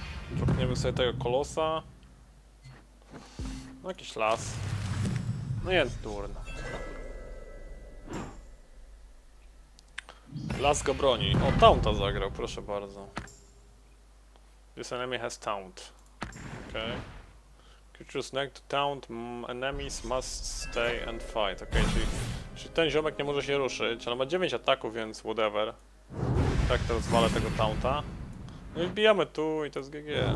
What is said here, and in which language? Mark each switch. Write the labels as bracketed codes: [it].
[pl] Dropniemy sobie tego kolosa. No jakiś las. No jest durny. Las go broni. O, taunta zagrał, proszę bardzo. [en] This enemy has taunt. Okej. Creatures next to taunt, enemies must stay and fight. [pl] Okej, czyli ten ziomek nie może się ruszyć, ale ma 9 ataków, więc whatever. Tak, to rozwalę tego taunta. No i wbijamy tu i to jest GG.